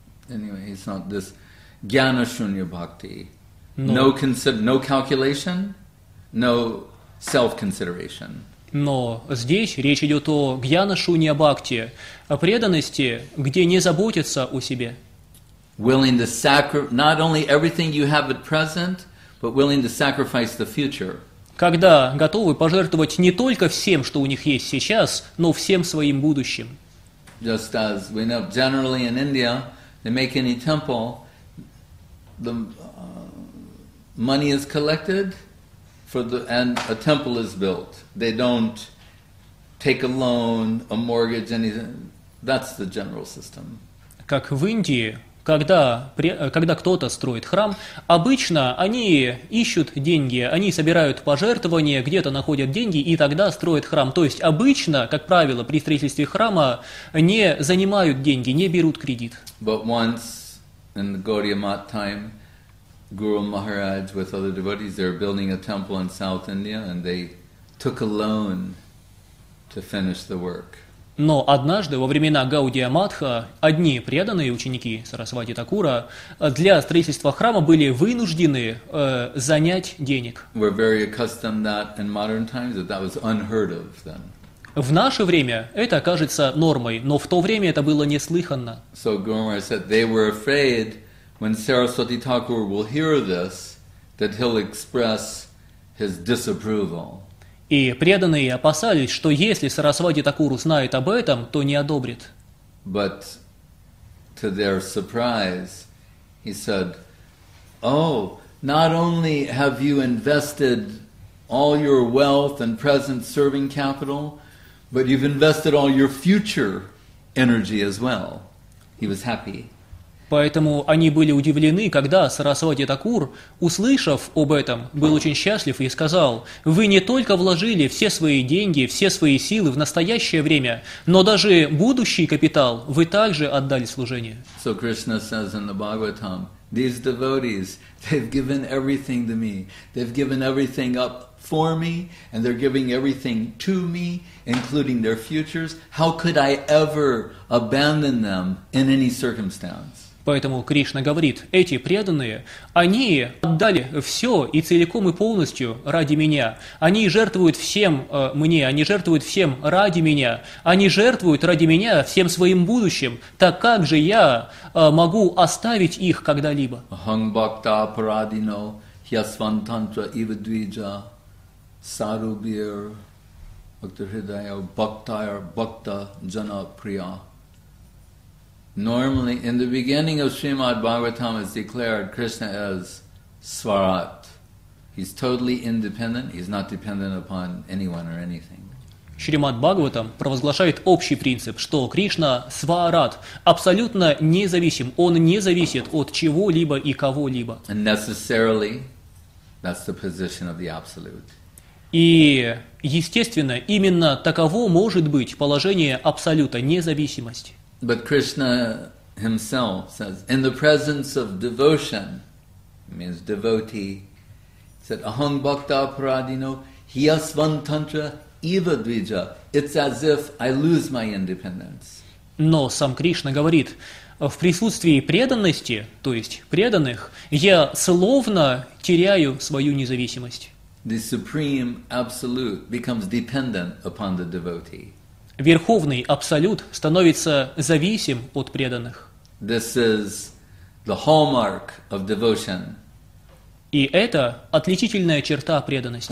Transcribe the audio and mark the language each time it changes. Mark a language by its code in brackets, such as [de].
[en] Anyway, it's not this jnana shunya bhakti. No calculation, no self-consideration. [ru] Но здесь речь идет о гьяна-шунья-бхакти, о преданности, где не заботятся о себе. [en] Willing to sacrifice not only everything you have at present, but willing to sacrifice the future. [ru] Когда готовы пожертвовать не только всем, что у них есть сейчас, но всем своим будущим. [en] Just as we know, generally in India, they make any temple, the money is collected for the and a temple is built. They don't take a loan, a mortgage, anything. That's the general system. [ru] Как в Индии, когда кто-то строит храм, обычно они ищут деньги, они собирают пожертвования, где-то находят деньги и тогда строят храм. То есть обычно, как правило, при строительстве храма не занимают деньги, не берут кредит. [en] But once in the Gaudiya Math time, Guru Maharaj with other devotees, they're building a temple in South India, and they took a loan to finish the work. [ru] Но однажды во времена Гаудия Матха одни преданные ученики Сарасвати Такура для строительства храма были вынуждены занять денег. [en] We're very accustomed that in modern times that was unheard of then. [ru] В наше время это кажется нормой, но в то время это было неслыханно. [en] So Guru Maharaj said they were afraid. When Saraswati Thakur will hear this, that he'll express his disapproval. [ru] И преданные опасались, что если Сарасвати Такур узнает об этом, то не одобрит. [en] But to their surprise, he said, "Oh, not only have you invested all your wealth and present serving capital, but you've invested all your future energy as well." He was happy. [ru] Поэтому они были удивлены, когда Сарасвати Такур, услышав об этом, был очень счастлив и сказал: «Вы не только вложили все свои деньги, все свои силы в настоящее время, но даже будущий капитал вы также отдали служению». [en] So Krishna says in the Bhagavatam, these devotees, they've given everything to me. They've given everything up for me, and they're giving everything to me, including their futures. How could I ever abandon them in any circumstance? [ru] Поэтому Кришна говорит: эти преданные, они отдали все и целиком и полностью ради меня. Они жертвуют всем мне, они жертвуют всем ради меня. Они жертвуют ради меня всем своим будущим. Так как же я могу оставить их когда-либо? [sa] Ахам бхакта парадино хьясвантантра ивадвиджа сарубир бхактахридая бхактайар бхакта джана прия. [en] Normally, in the beginning of Srimad Bhagavatam, is declared Krishna as Swarat. He's totally independent. He's not dependent upon anyone or anything. [ru] Шримад Бхагаватам провозглашает общий принцип, что Кришна Сварат абсолютно независим. Он не зависит от чего-либо и кого-либо. [en] And necessarily, that's the position of the Absolute. [ru] И естественно, именно таково может быть положение Абсолюта, независимость. [en] But Krishna himself says, in the presence of devotion, means devotee, said, [sa] Aham bhakta paradino hyasvantantra eva dvija. [en] It's as if I lose my independence. [ru] Но сам Кришна говорит, в присутствии преданности, то есть преданных, я словно теряю свою независимость. [en] The supreme absolute becomes dependent upon the devotee. [ru] Верховный Абсолют становится зависим от преданных. [en] This is the hallmark of devotion. [ru] И это отличительная черта преданности.